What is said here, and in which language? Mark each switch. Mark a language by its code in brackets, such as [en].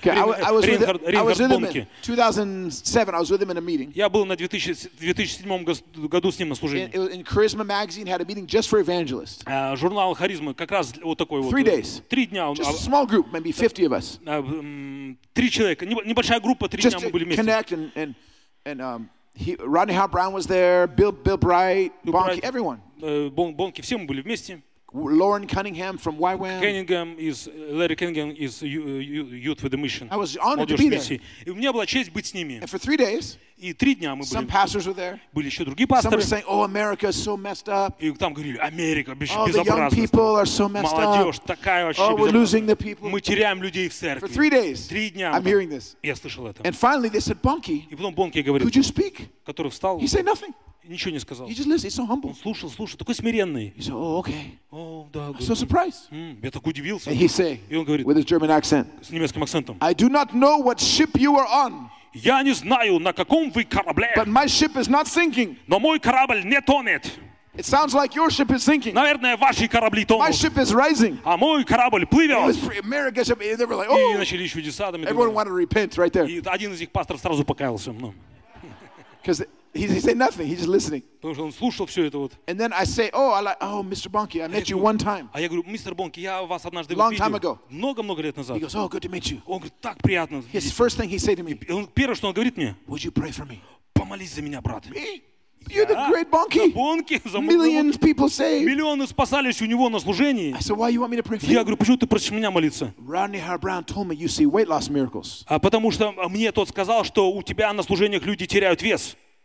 [en] Reinhard Bonnke. 2007, I was with him in a meeting. [ru] Я был на 2007 году с ним на служении. [en] In Charisma magazine had a meeting just for evangelists. [ru] Журнал Харизма как раз вот такой вот. [en] Three days. [ru] Три дня. [en] Just a small group, maybe 50 of us. [ru] Три человека, небольшая группа, три дня мы были вместе. [en] Connect and Rodney Howard Brown was there, Bill Bright, Bonnke, everyone. [ru] Bonnke, все мы были вместе. [en] Lauren Cunningham from YWAM. Larry Cunningham is Youth with the Mission. I was honored to be there. [ru] И у меня была честь быть с ними. [en] And for three days. [ru] И три дня мы были. [en] Some pastors were there. [ru] Были еще другие пасторы. [en] Some were saying, "Oh, America is so messed up." [ru] И там говорили, Америка безобразна. [en] Oh, the young people are so messed up. [ru] Молодежь такая вообще. [en] Oh, we're losing the people. [ru] Мы теряем людей в церкви. [en] For three days. [ru] Три дня. [en] I'm hearing this. [ru] Я слышал это. [en] And finally, they said, "Bonnke." [ru] И потом Бонки говорит. [en] Could you speak? [ru] Который встал. [en] He said nothing. [ru] Ничего не сказал. [en] He just listened. He's so humble. [ru] Он слушал, слушал, такой смиренный. [en] He said, "Oh, okay." [ru] Oh, да. [en] I'm so surprised. [ru] Я так удивился. [en] And he said, [ru] и он говорит, [en] with his German accent, [ru] с немецким акцентом, [en] "I do not know what ship you are on." [ru] Я не знаю, на каком вы корабле. [en] But my ship is not sinking. [ru] Но мой корабль не тонет. [en] It sounds like your ship is sinking. [ru] Наверное, ваши корабли тонут. [en] My ship is rising. [ru] А мой корабль плывет. [en] America's ship. They were like, "Oh." [ru] И начали чудеса. [en] Everyone wanted to repent right there. [ru] И один из их пасторов сразу покаялся. [en] Because he said nothing. He's just listening. [ru] Потому что он слушал все это вот. [en] And then I say, "Oh, I like, oh, Mr. Bonnke, I met you one time." [ru] А я говорю, мистер Бонки, я вас однажды видел. [en] Long time ago. [ru] Много-много лет назад. [en] He goes, "Oh, good to meet you." [ru] Он говорит, так приятно. [en] His first thing he said to me. [ru] Он первое, что он говорит мне. [en] Would you pray for me? [ru] Помолись за меня, брат. [en] Me? You're the great Bonnke. [ru] Бонки, [en] millions of people saved. [ru] Миллионы спасались у него на служении. [en] I said, "Why you want me to pray for you?" [ru] Я говорю, почему ты просишь меня молиться? [en] Rodney Howard Brown told me you see weight loss miracles. [ru] А потому что мне тот сказал, что у тебя на служениях люди теряют вес.